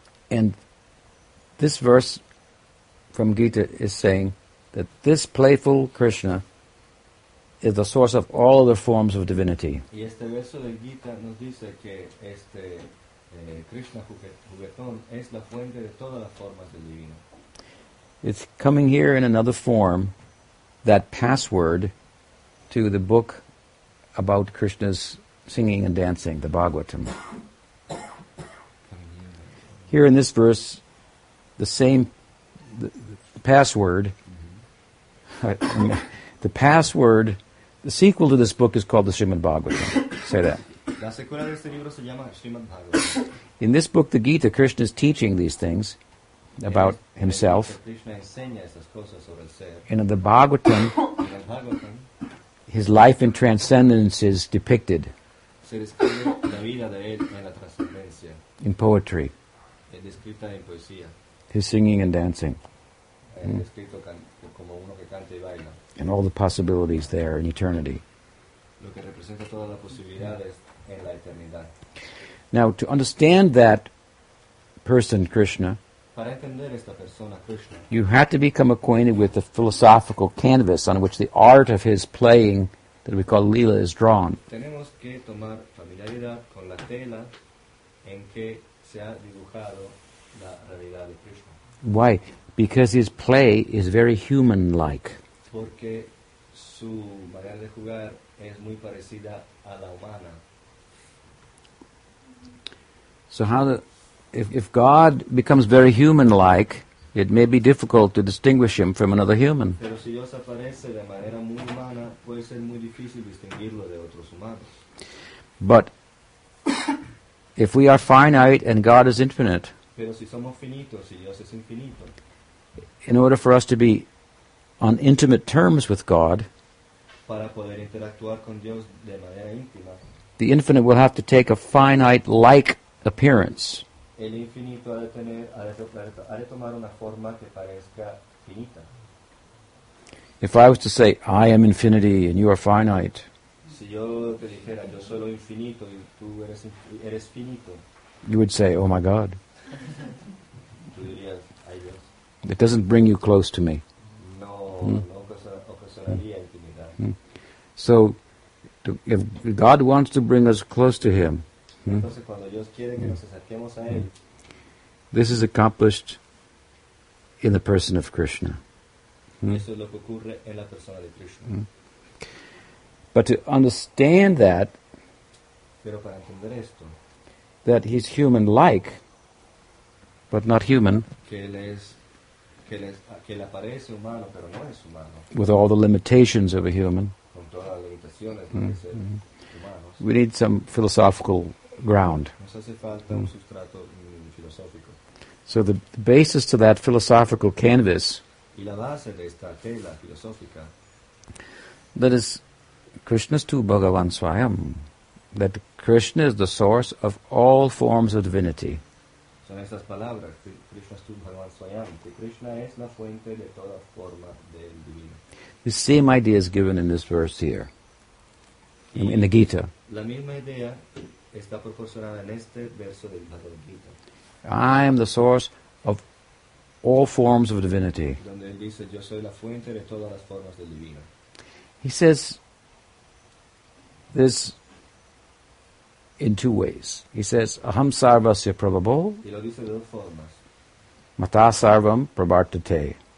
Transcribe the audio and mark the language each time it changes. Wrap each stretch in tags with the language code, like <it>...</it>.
<en>And this verse from Gita is saying that this playful Krishna is the source of all other forms of divinity.</en> <es>Y este verso de Gita nos dice que este Krishna juguetón es la fuente de todas las formas del divino.</es> <en>It's coming here in another form, that password to the book about Krishna's singing and dancing, the Bhagavatam. Here in this verse, the same password, the password. The sequel to this book is called the Srimad Bhagavatam. Say that.</en> <es>La secuela de este libro se llama Srimad Bhagavatam.</es> <en>In this book, the Gita, Krishna is teaching these things about himself.</en> <es>Krishna enseña esas cosas sobre el ser.</es> <en>And in the Bhagavatam, his life in transcendence is depicted.</en> <es>Se describe la vida de él en la trascendencia.</es> <en>In poetry.</en> <es>Es descrita en poesía.</es> <en>His singing and dancing.</en> <es>Es descrito como uno que canta y baila.</es> <en>And all the possibilities there in eternity.</en> <es>Lo que representa todas las posibilidades en la eternidad.</es> <en>Now, to understand that person, Krishna,</en> <es>para entender esta persona, Krishna,</es> <en>you have to become acquainted with the philosophical canvas on which the art of his playing, that we call Lila, is drawn.</en> <es>Tenemos que tomar familiaridad con la tela en que se ha dibujado la realidad de Krishna.</es> <en>Why? Because his play is very human-like.</en> <es>Porque su manera de jugar es muy parecida a la humana.</es> <en>So how the, if God becomes very human-like, it may be difficult to distinguish him from another human.</en> <es>Pero si Dios aparece de manera muy humana, puede ser muy difícil distinguirlo de otros humanos.</es> <en>But if we are finite and God is infinite,</en> <es>pero si somos finitos y Dios es infinito,</es> <en>in order for us to be on intimate terms with God,</en> <es>para poder interactuar con Dios de manera íntima,</es> <en>the infinite will have to take a finite-like appearance.</en> <es>El infinito ha de tomar una forma que parezca finita.</es> <en>If I was to say, I am infinity and you are finite,</en> <es>si yo te dijera, yo soy lo infinito y tú eres, eres finito,</es> <en>you would say, oh my God.</en> <es>Tú dirías, ay Dios.</es> <en>It doesn't bring you close to me.</en> <es>No, no ocasionaría intimidad.</es> <en>So, if God wants to bring us close to Him,</en> <es>entonces, cuando Dios quiere que nos acerquemos a Él,</es> <en>this is accomplished in the person of Krishna.</en> <es>Eso es lo que ocurre en la persona de Krishna.</es> <en>But to understand that,</en> <es>pero para entender esto,</es> <en>that he's human-like, but not human,</en> <es>que él parece humano, pero no es humano,</es> <en>with all the limitations of a human,</en> <es>con todas las limitaciones de ser humanos,</es> <en>we need some philosophical ground.</en> <es>Nos hace falta un sustrato filosófico.</es> <en>So the basis to that philosophical canvas,</en> <es>y la base de esta tela filosófica,</es> <en>that is</en> <sa>Krishna's tu Bhagavan Swayam,</sa> <en>that Krishna is the source of all forms of divinity.</en> <es>Son esas palabras,</es> <sa>Krishna's tu Bhagavan Swayam,</sa> <es>que Krishna es la fuente de toda forma del divino.</es> <en>The same idea is given in this verse here, in the Gita.</en> <es>La misma idea está proporcionada en este verso del Bhagavad Gita.</es> <en>I am the source of all forms of divinity.</en> <es>Donde él dice, yo soy la fuente de todas las formas del divino.</es> <en>He says this in two ways. He says,</en> <sa>aham sarvasya prabhavo.</sa> <es>Y lo dice de dos formas.</es> <sa>Mata sarvam prabhartate.</sa>